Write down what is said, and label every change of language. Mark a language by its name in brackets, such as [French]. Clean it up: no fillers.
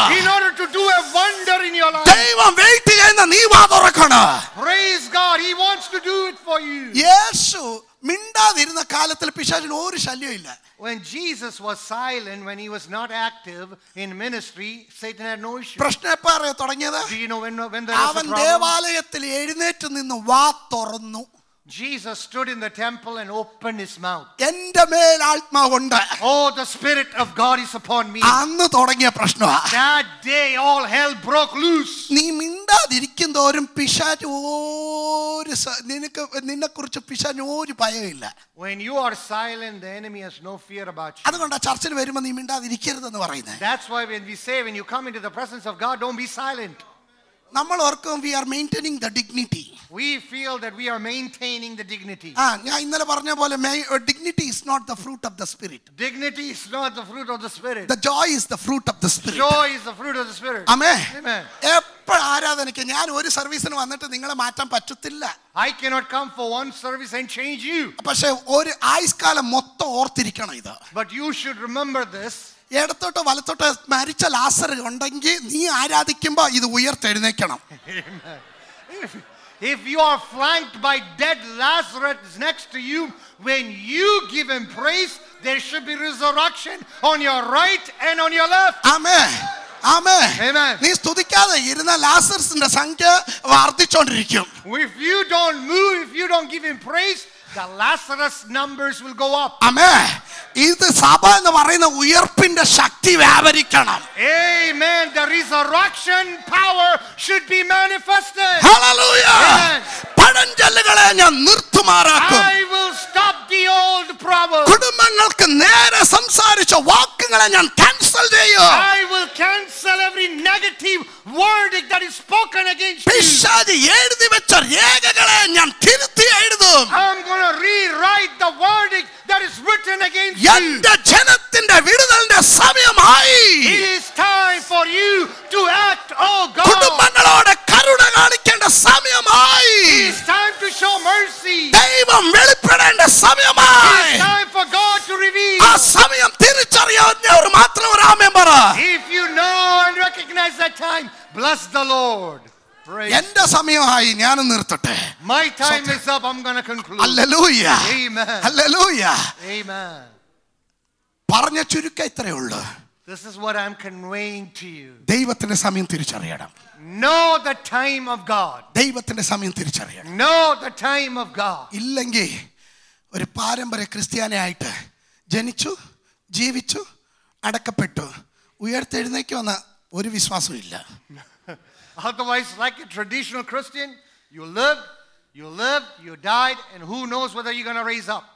[English] In order to do a wonder in your life. [Malayalam] ദൈവം wait ചെയ്യുന്ന നീ വാ തുറക്കണം. [English] Praise God, he wants to do it for you. [Malayalam] യേശു മിണ്ടാതിരുന്ന കാലത്തിൽ പിശാചിന് ഒരു ശല്യവും ഇല്ല. [English] When Jesus was silent, when he was not active in ministry, Satan had no issue. [Malayalam] പ്രശ്നം പറയാ തുടങ്ങിയത്. [English] Do you know when there was a problem? [Malayalam] അവൻ ദേവാലയത്തിൽ എഴുന്നേറ്റ് നിന്ന് വാ തുറന്നു. [English] Jesus stood in the temple and opened his mouth. [Malayalam] എൻ്റെ മേൽ ആത്മാവുണ്ട്. [English] Oh, the spirit of God is upon me. [Malayalam] അന്ന് തുടങ്ങിയ പ്രശ്നവാ. [English] That day all hell broke loose. [Malayalam] നീ മിണ്ടാതിരിക്കും തോരും പിശാച് ഒരു നിനക്ക് നിന്നെക്കുറിച്ച് പിശാച് ഒരു ഭയമില്ല. [English] When you are silent, the enemy has no fear about you. [Malayalam] അതുകൊണ്ട് ചർച്ചിൽ വരുമ്പോൾ നീ മിണ്ടാതിരിക്കരുത് എന്ന് പറയുന്നത്. [English] That's why when we say, when you come into the presence of God, don't be silent. [Malayalam] നമ്മൾ ഓർക്കും, [English] we are maintaining the dignity. We feel that we are maintaining the dignity. [Malayalam] Ya innale parna pole [English] dignity is not the fruit of the spirit. Dignity is not the fruit of the spirit. The joy is the fruit of the spirit. Joy is the fruit of the spirit. Amen. Amen. Yep. [Malayalam] ഇപ്പോൾ ആരാധനയ്ക്ക് ഞാൻ ഒരു സർവീസിന് വന്നിട്ട് നിങ്ങളെ മാറ്റാൻ പറ്റത്തില്ല. [English] I cannot come for one service and change you. [Malayalam] പക്ഷേ ഒരു ആയുസ്കാലം മൊത്തം ഓർത്തിരിക്കണം ഇത്. [English] But you should remember this. [Malayalam] ഇടത്തോട്ടോ വലത്തോട്ടോ മരിച്ച ലാസർ ഉണ്ടെങ്കിൽ നീ ആരാധിക്കുമ്പോൾ ഇത് ഉയർത്തെഴുന്നേക്കണം. [English] If you are flanked by dead Lazarus next to you, when you give him praise, there should be resurrection on your right and on your left. Amen. Amen. Amen. [Malayalam] നീ സ്തുതിക്കാതെ ഇരുന്ന ലാസറിന്റെ സംഖ്യ വർദ്ധിച്ചുകൊണ്ടിരിക്കും. [English] If you don't move, if you don't give him praise, the Lazarus numbers will go up. Amen. [Malayalam] ഇത് സഭ എന്ന് പറയുന്ന ഉയർപ്പിന്റെ ശക്തി വ്യാപരിക്കണം. [English] Amen. The resurrection power should be manifested. [Malayalam] Hallelujah. പഴഞ്ചൊല്ലുകളെ ഞാൻ നിർത്തുമാറാക്കും. [English] I will stop the old proverbs. [Malayalam] കുടുംബങ്ങൾക്ക് നേരെ സംസാരിച്ച വാക്കുകളെ ഞാൻ കാൻസൽ ചെയ്യും. [English] I will cancel every negative word that is spoken against you. [Malayalam] പിശാചി എഴുതി വെച്ച രേഖകളെ ഞാൻ തിരുത്തി എഴുതും. [English] I'm going to rewrite the verdict that is written against you. [Malayalam] എന്റെ ജനത്തിന്റെ വിടുതലിന്റെ സമയമായി. [English] It is time for you to act, oh God. [Malayalam] കുടുംബങ്ങളോട് കരുണ കാണിക്കേണ്ട സമയമായി. [English] It is time to show mercy. [Malayalam] ദൈവം വെളിപ്പെടേണ്ട സമയമായി. [English] It is time for God to reveal. [Malayalam] ആ സമയം തിരിച്ചറിയാവുന്ന ഒരു മാത്രം ഒരു ആമേൻ പറ. [English] If you know and recognize that time, bless the Lord. [Malayalam] എന്റെ സമയമായി, ഞാൻ നിർത്തട്ടെ. [English] My time is up, I'm gonna conclude. Hallelujah. Amen. Hallelujah. Amen. [Malayalam] പറഞ്ഞ ചുരുക്കം ഇത്രയേ ഉള്ളൂ. [English] This is what I'm conveying to you. [Malayalam] ദൈവത്തിന്റെ സമയം തിരിച്ചറിയണം. [English] Know the time of God. [Malayalam] ദൈവത്തിന്റെ സമയം തിരിച്ചറിയണം. [English] Know the time of God. [Malayalam] ഇല്ലെങ്കിൽ ഒരു പാരമ്പര്യ ക്രിസ്ത്യാനിയായിട്ട് ജനിച്ചു ജീവിച്ചു അടക്കപ്പെട്ടു ഉയർത്തെഴുന്നേക്ക് വന്ന ഒരു വിശ്വാസവും ഇല്ല. [English] Otherwise, like a traditional Christian, you live, you died, and who knows whether you're going to raise up.